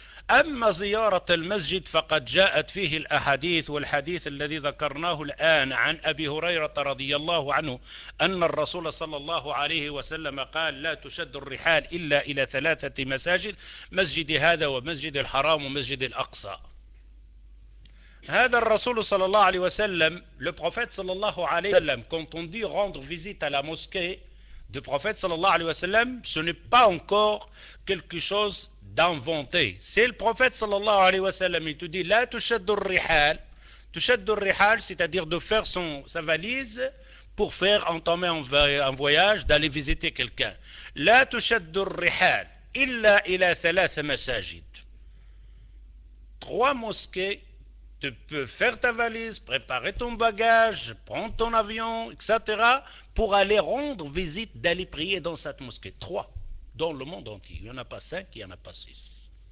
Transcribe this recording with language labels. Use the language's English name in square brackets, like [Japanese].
[Arabic] أما زيارة المسجد فقد جاءت فيه الأحاديث والحديث الذي ذكرناه الآن عن أبي هريرة رضي الله عنه أن الرسول صلى الله عليه وسلم قال لا تشد الرحال إلا إلى 3 مساجد، مسجد هذا ومسجد الحرام ومسجد الأقصى. هذا الرسول صلى الله عليه وسلم [French] le prophète صلى الله عليه وسلم quand on dit rendre visite à la mosquée du prophète صلى الله عليه وسلم ce n'est pas encore quelque chose d'inventé. C'est le prophète صلى الله عليه وسلم il te dit [Arabic] لا تشد الرحال. تشد الرحال [French] c'est-à-dire de faire sa valise pour faire entamer un voyage d'aller visiter quelqu'un. [Arabic] لا تشد الرحال إلا إلى 3 مساجد. [French] 3 mosquées. Tu peux faire ta valise, préparer ton bagage, prendre ton avion, etc., pour aller rendre visite, d'aller prier dans cette mosquée. 3, dans le monde entier. Il n'y en a pas 5, il n'y en a pas 6.